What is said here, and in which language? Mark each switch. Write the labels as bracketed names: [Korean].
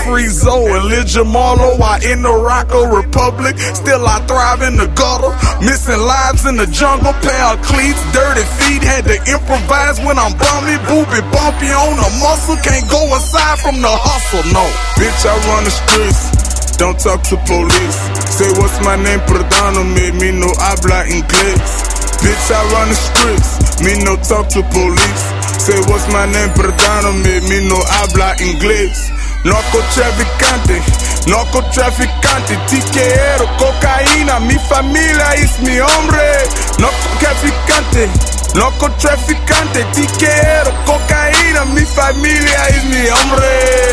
[English] Free Zoe and Lil Jamarlo, I in the Rocko Republic. Still I thrive in the gutter, missing lives in the jungle. Pair of cleats, dirty feet, had to improvise when I'm bummy. Boopy bumpy on the muscle, can't go aside from the hustle, no. Bitch, I run the streets, don't talk to police. Say what's my name, [Spanish] perdono me, me no habla inglés. [English] Bitch, I run the streets, me no talk to police. Say what's my name, [Spanish] perdono me, me no habla inglés. Narco traficante, Narcotraficante, te quiero, cocaína, mi familia es mi hombre. Narcotraficante, narcotraficante, te quiero, cocaína, mi familia es mi hombre.